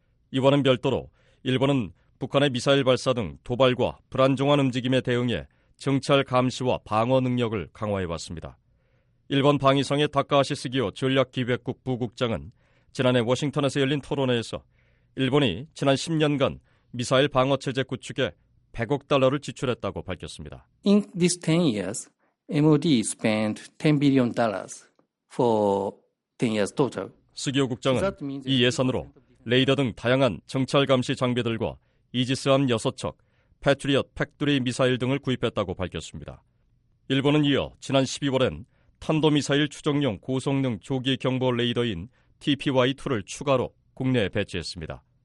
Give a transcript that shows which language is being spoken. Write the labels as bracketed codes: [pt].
[ko] 이와는 별도로 일본은 북한의 미사일 발사 등 도발과 불안정한 움직임에 대응해 정찰 감시와 방어 능력을 강화해왔습니다. 일본 방위성의 다카하시 스기오 전략기획국 부국장은 지난해 워싱턴에서 열린 토론회에서 일본이 지난 10년간 미사일 방어체제 구축에 100억 달러를 지출했다고 밝혔습니다. [en] In these 10 years, MOD spent $10 billion for 10 years total. [ko] 스기오 국장은 이 예산으로 레이더 등 다양한 정찰 감시 장비들과 이지스함 6척, 패트리엇 팩토리 미사일 등을 구입했다고 밝혔습니다. 일본은 이어 지난 12월엔 탄도미사일 추정용 고성능 조기 경보 레이더인 TPY-2를 추가로 국내에 배치했습니다.